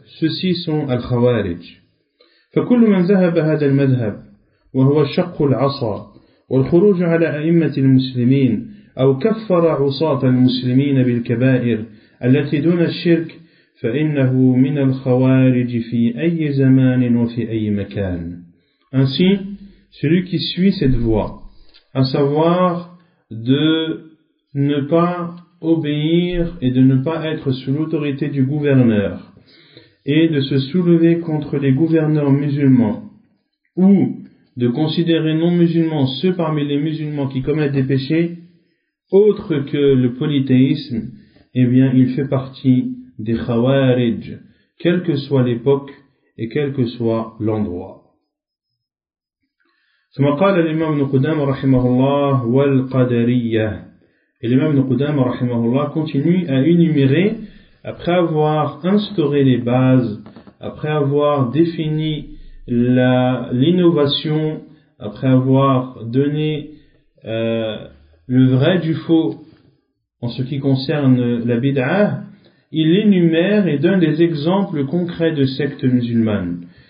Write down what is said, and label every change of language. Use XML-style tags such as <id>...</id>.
<fr>Ceux-ci sont Al-Khawarij.</fr> <ar>فكل من ذهب هذا المذهب وهو شق العصا والخروج على أئمة المسلمين أو كفر عصاة المسلمين بالكبائر التي دون الشرك فإنه من الخوارج في أي زمان وفي أي مكان.</ar> <fr>Ainsi, celui qui suit cette voie, à savoir de ne pas obéir et de ne pas être sous l'autorité du gouverneur, et de se soulever contre les gouverneurs musulmans, ou de considérer non musulmans ceux parmi les musulmans qui commettent des péchés, autre que le polythéisme, eh bien, il fait partie des khawarij, quelle que soit l'époque et quel que soit l'endroit.</fr> <ar>ثم قال الإمام ابن قدامة رحمه الله والقدرية.</ar> <fr>الإمام ابن قدامة رحمه الله continue à énumérer, après avoir instauré les bases, après avoir défini l'innovation, après avoir donné le vrai du faux en ce qui concerne la bid'a, il énumère et donne des exemples concrets de sectes musulmanes.</fr>